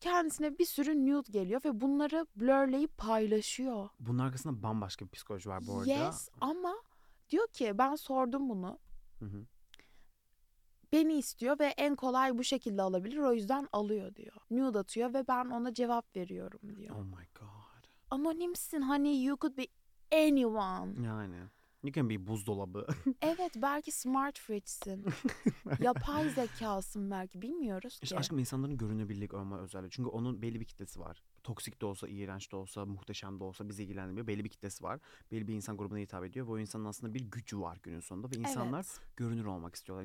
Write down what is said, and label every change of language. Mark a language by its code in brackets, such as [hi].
[tr] Kendisine bir sürü nude geliyor ve bunları blurleyip paylaşıyor. Bunun arkasında bambaşka bir psikoloji var bu arada. Yes, ama diyor ki ben sordum bunu. Hı-hı. Beni istiyor ve en kolay bu şekilde alabilir, o yüzden alıyor diyor. Nude atıyor ve ben ona cevap veriyorum diyor. [en] Oh my god. [tr] Anonimsin, hani [en] you could be anyone. Yani. You can be buzdolabı. [tr] Evet, belki smart fridge'sin. Yapay zekasın belki, bilmiyoruz ki. İşte aşkım, insanların görünebilirlik olma özelliği. Çünkü onun belli bir kitlesi var. Toksik de olsa, iğrenç de olsa, muhteşem de olsa bizi ilgilendirmiyor. Belli bir kitlesi var. Belli bir insan grubuna hitap ediyor. Ve o insanın aslında bir gücü var günün sonunda. Ve insanlar görünür olmak istiyorlar.